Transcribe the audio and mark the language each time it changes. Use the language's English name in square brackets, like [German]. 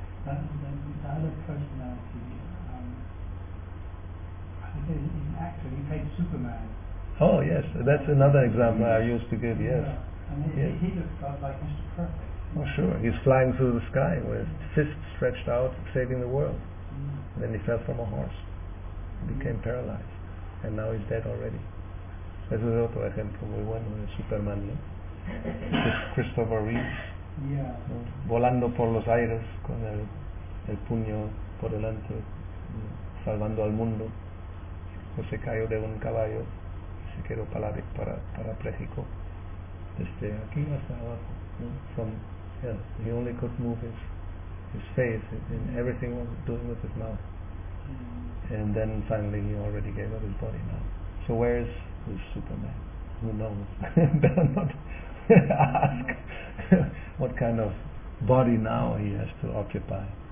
[English] The other personality, in actor, he played Superman. Oh, yes, that's another example I used to give, yes. And he looked like Mr. Perfect. Oh, sure, he's flying through the sky with fists stretched out, saving the world. Mm. Then he fell from a horse, became paralyzed. And now he's dead already. [Spanish] Ese es otro ejemplo muy bueno de Superman, ¿no? Christopher Reeve. [English] Yeah. [Spanish] ¿No? Volando por los aires con el puño por delante, ¿no? Salvando al mundo. Pues se cayó de un caballo y se quedó parapléjico. Desde aquí hasta abajo, ¿no? [English] From hell. He only could move his face and everything was doing with his mouth. And then finally he already gave up his body now. So where is this Superman? Who knows? Better not ask what kind of body now he has to occupy.